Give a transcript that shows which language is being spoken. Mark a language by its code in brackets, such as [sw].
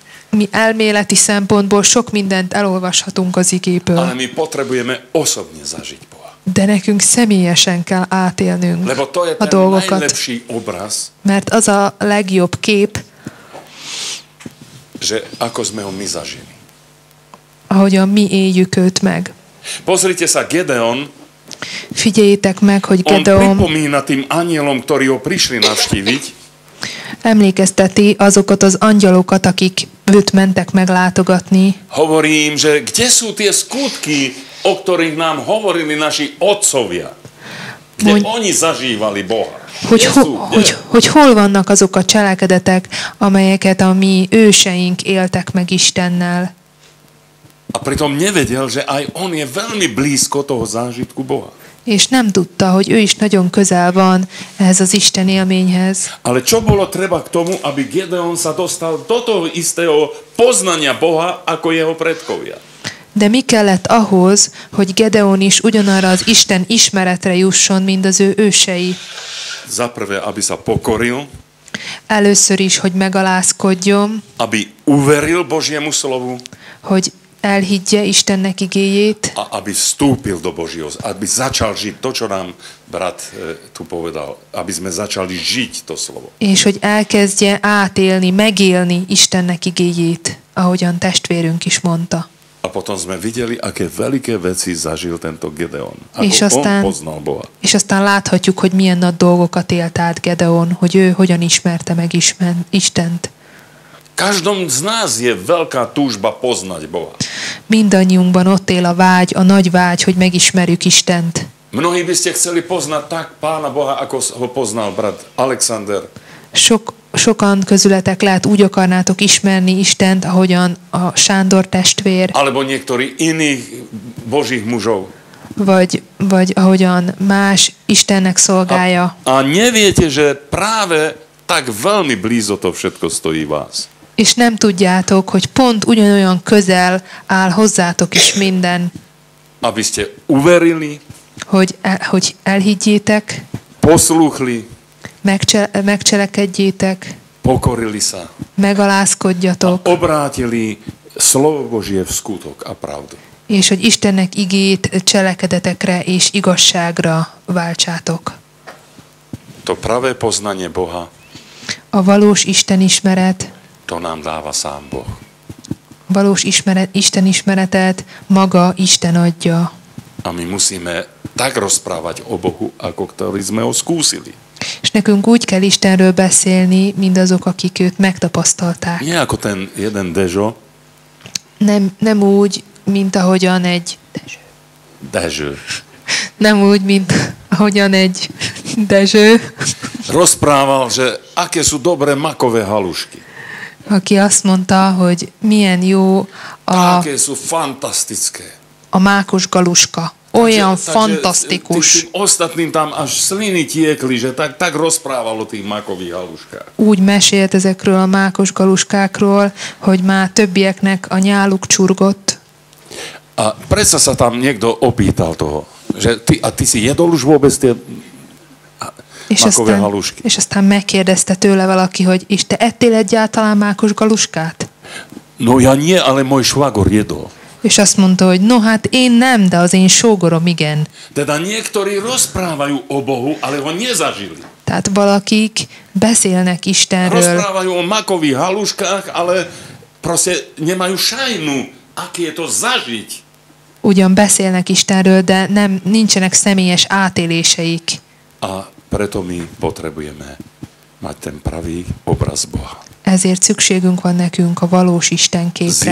[hu] Mi elméleti szempontból sok mindent elolvashatunk az igéből. [sk] Ale mi potrebujeme osobne zažiť Boha. [hu] De nekünk személyesen kell átélnünk [sk] lebo to je [hu] a dolgokat. [sk] Najlepší obraz, [hu] mert az a legjobb kép, [sk] že ako sme ho my zažili. [hu] Ahogyan mi éljük őt meg. [sk] Pozrite sa, Gedeon. [hu] Figyeljétek meg, hogy Gedeon [sk] on pripomína tým anielom, ktorí ho prišli navštíviť. [hu] Emlékezteti azokat az angyalokat, akik őt mentek meglátogatni. [sk] Hovorím, že kde sú tie skutky, o ktorých nám hovorili naši otcovia? Kde oni zažívali Boha? [hu] Hogy hol vannak azok a cselekedetek, amelyeket a mi őseink éltek meg Istennel? [sk] A pritom nevedel, že aj on je veľmi blízko toho zážitku Boha. [hu] És nem tudta, hogy ő is nagyon közel van ehhez az Isten élményhez. [sk] Ale čo bolo treba k tomu, aby Gedeon sa dostal do toho istého poznania Boha, ako jeho predkovia? [hu] De mi kellett ahhoz, hogy Gedeon is ugyanarra az Isten ismeretre jusson, mint az ő ősei? [sk] Za prvé, aby sa pokoril. [hu] Először is, hogy megalázkodjon. [sk] Aby uveril Božiemu slovu. [hu] Hogy elhiggye Istennek igéjét. [sk] A aby vstúpil do Božího, aby začal žiť to, čo nám brat tu povedal, aby sme začali žiť to slovo. [hu] És hogy elkezdje átélni, megélni Istennek igéjét, ahogyan testvérünk is mondta. [sk] A potom sme videli, aké veľké veci zažil tento Gedeon. Ako [hu] és aztán, [sk] on poznal Boha. [hu] És aztán láthatjuk, hogy milyen nagy dolgokat élt át Gedeon, hogy ő hogyan ismerte meg Istent. [sk] Každom z nás je veľká túžba poznať Boha. [hu] Mindannyiunkban ott él a vágy, a nagy vágy, hogy megismerjük Istent. [sk] Mnohí by ste chceli poznať tak Pána Boha, ako ho poznal brat Alexander. [hu] Sokan közületek lehet úgy akarnátok ismerni Istent, ahogyan a Sándor testvér. [sk] Alebo niektorí iných božích mužov. [hu] Vagy ahogyan más Istennek szolgálja. [sk] A neviete, že práve tak veľmi blízo to všetko stojí vás. [hu] És nem tudjátok, hogy pont ugyanolyan közel áll hozzátok is minden. [sk] Abyste uverili. [hu] Hogy elhiggyétek. [sk] Posluchli. [hu] Megcselekedjétek. [sk] Pokorili sa. [hu] Megalázkodjatok. [sk] A obrátili slovo Božie v skutok a pravdu. [hu] És hogy Istennek igét cselekedetekre és igazságra váltsátok. [sk] To pravé poznanie Boha. [hu] A valós Isten ismeret. [sk] To nám dáva sám Boh. [hu] Valós ismeret, Isten ismeretet maga Isten adja. [sk] A mi musíme tak rozprávať o Bohu, ako ktorý sme ho skúsili. [hu] És nekünk úgy kell Istenről beszélni, mint azok, akik őt megtapasztalták. [sk] Nie ako ten jeden Dezsó. [hu] Nem úgy, mint ahogyan egy Dezső. Nem úgy, mint ahogyan egy Dezső. [sk] Rozprával, že aké sú dobré makové halušky. [hu] Aki azt mondta, hogy milyen jó a... [sk] Aké sú fantastické. [hu] A mákos galuška. Olyan [sk] takže, [hu] fantasztikus. [sk] Takže ostatným tam až sliny tiekli, že tak rozprával o tých mákových haluškách. [hu] Úgy mesélt ezekről a mákos galuskákról, hogy már többieknek a nyáluk csurgott. [sk] A predsa sa tam niekto opýtal toho, že ty, a ty si jedol už vôbec tie mákové halušky? [hu] És aztán megkérdezte tőle valaki, hogy és te ettél egyáltalán mákos galuskát? [sk] No ja nie, ale môj švagor jedol. [hu] És azt mondta, hogy no hát én nem, de az én sógorom igen. [sk] Teda niektorí rozprávajú o Bohu, ale ho nezažili. [hu] Tehát valakik beszélnek Istenről. [sk] Rozprávajú o makových haluškách, ale proste nemajú šajnu, aký je to zažiť. [hu] Ugyan beszélnek Istenről, de nem, nincsenek személyes átéléseik. [sk] A preto mi potrebujeme mať ten pravý obraz Boha. [hu] Ezért szükségünk van nekünk a valós Isten képre.